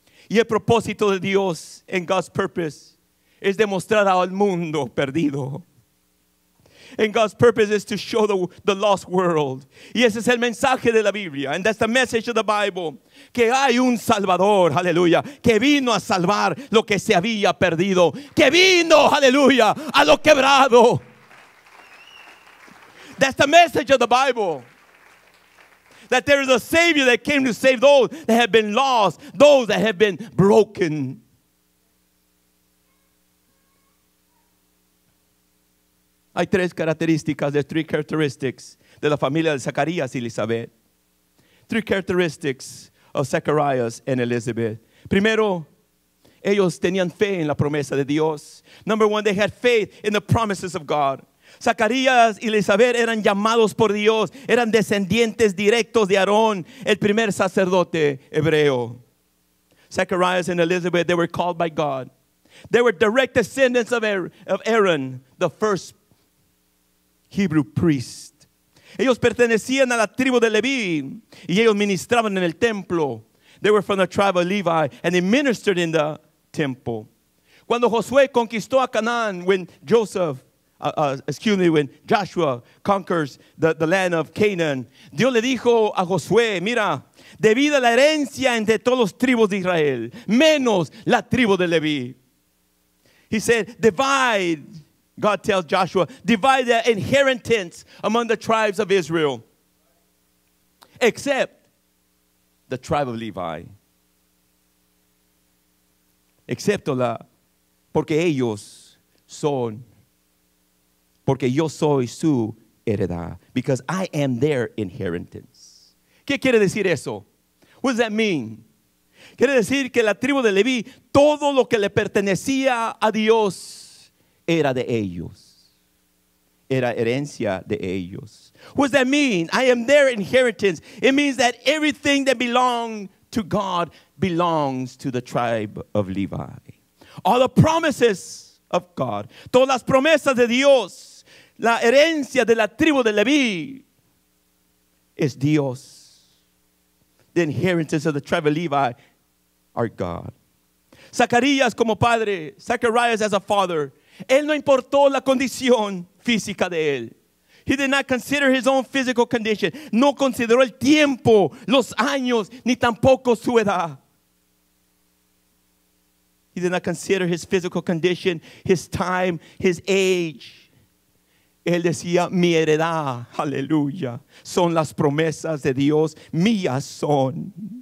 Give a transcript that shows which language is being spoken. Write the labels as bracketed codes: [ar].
[es] Y el propósito de Dios en [en] God's purpose [es] es demostrar al mundo perdido. [en] And God's purpose is to show the lost world. [es] Y ese es el mensaje de la Biblia. [en] And that's the message of the Bible. [es] Que hay un Salvador, aleluya, que vino a salvar lo que se había perdido. Que vino, aleluya, a lo quebrado. [en] That's the message of the Bible. That there is a Savior that came to save those that have been lost, those that have been broken. [es] Hay tres características, [en] there's three characteristics [es] de la familia de Zacarías y Elizabeth. [en] Three characteristics of Zacarías and Elizabeth. [es] Primero, ellos tenían fe en la promesa de Dios. [en] Number one, they had faith in the promises of God. [es] Zacarías y Elizabeth eran llamados por Dios, eran descendientes directos de Aarón, el primer sacerdote hebreo. [en] Zacarías and Elizabeth, they were called by God. They were direct descendants of Aaron, the first Hebrew priest. [es] Ellos pertenecían a la tribu de Leví y ellos ministraban en el templo. [en] They were from the tribe of Levi and they ministered in the temple. [es] Cuando Josué conquistó a Canaán, [en] when Joshua conquers the land of Canaan, [es] Dios le dijo a Josué, mira, debido a la herencia entre todos los tribus de Israel, menos la tribu de Leví. [en] He said, divide. God tells Joshua, divide their inheritance among the tribes of Israel, except the tribe of Levi. [es] Excepto la, porque ellos son, porque yo soy su heredad, [en] because I am their inheritance. [es] ¿Qué quiere decir eso? [en] What does that mean? [es] Quiere decir que la tribu de Leví, todo lo que le pertenecía a Dios, era de ellos. Era herencia de ellos. [en] What does that mean? I am their inheritance. It means that everything that belonged to God belongs to the tribe of Levi. All the promises of God. [es] Todas las promesas de Dios. La herencia de la tribu de Leví es Dios. [en] The inheritance of the tribe of Levi are God. [es] Zacarías como padre. [en] Zacarías as a father. [es] Él no importó la condición física de él. [en] He did not consider his own physical condition. [es] No consideró el tiempo, los años, ni tampoco su edad. [en] He did not consider his physical condition, his time, his age. [es] Él decía, mi heredad, aleluya, son las promesas de Dios, mías son.